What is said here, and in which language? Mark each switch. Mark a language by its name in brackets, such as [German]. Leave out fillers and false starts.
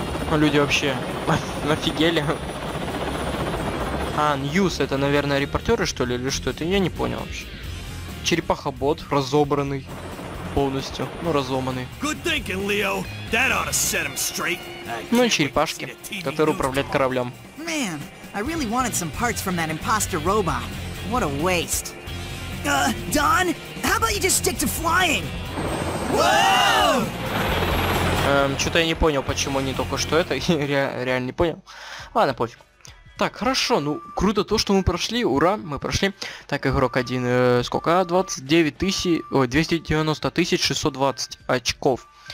[Russian] Ну, люди вообще нафигели. А, Ньюс, это, наверное, репортеры, что ли, или что? Это я не понял вообще. Черепаха-бот, разобранный полностью. Ну, разломанный. Ну, и черепашки, которые управляют кораблем. [English] Man, I really wanted some parts from that imposter robot. What a waste. Don, how about you just stick to flying? [Russian] Что-то я не понял, почему они только что это. реально не понял. Ладно, пофиг. Так, хорошо, ну, круто то, что мы прошли, ура, мы прошли. Так, игрок один, сколько? 290 620 очков.